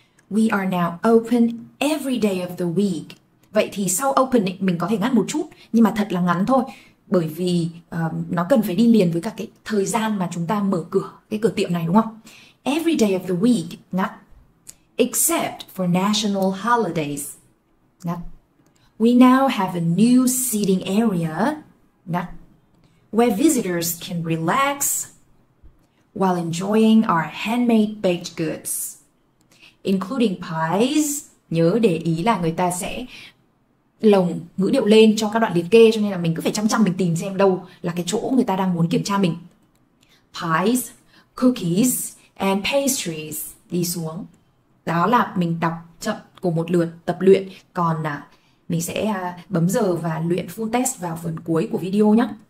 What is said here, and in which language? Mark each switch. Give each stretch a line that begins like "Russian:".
English: We are now open every day of the week.
Vietnamese: Vậy thì sau open ấy, mình có thể ngắt một chút, nhưng mà thật là ngắn thôi. Bởi vì nó cần phải đi liền với các cái thời gian mà chúng ta mở cửa, cái cửa tiệm này đúng không?
English: Every day of the week, ngắt. Except for national holidays. Ngắt. We now have a new seating area. Ngắt. Where visitors can relax while enjoying our handmade baked goods, including pies.
Vietnamese: Nhớ để ý là người ta sẽ lồng ngữ điệu lên cho các đoạn liệt kê, cho nên là mình cứ phải chăm chăm mình tìm xem đâu là cái chỗ người ta đang muốn kiểm tra mình.
English: Pies, cookies and pastries
Vietnamese: đi xuống. Đó là mình đọc chậm của một lượt tập luyện. Còn mình sẽ bấm giờ và luyện full test vào phần cuối của video nhé.